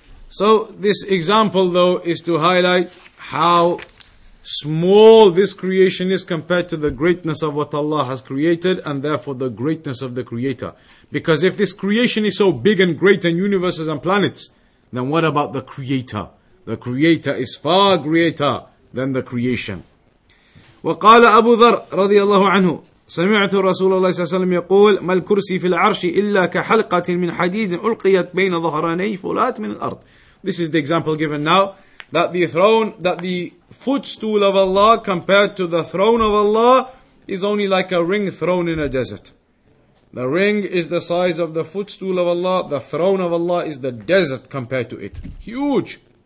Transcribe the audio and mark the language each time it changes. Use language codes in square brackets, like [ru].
[en] So this example though is to highlight how small this creation is compared to the greatness of what Allah has created, and therefore the greatness of the creator. Because if this creation is so big and great and universes and planets, then what about the creator? The creator is far greater than the creation. [ar] وقال أبو ذر رضي الله عنه سمعت رسول الله صلى الله عليه وسلم يقول ما الكرسي في العرش إلا كحلقة من حديد ألقيت بين ظهراني فلات من الأرض. [en] This is the example given now, that the footstool of Allah compared to the throne of Allah is only like a ring thrown in a desert. The ring is the size of the footstool of Allah. The throne of Allah is the desert compared to it. Huge.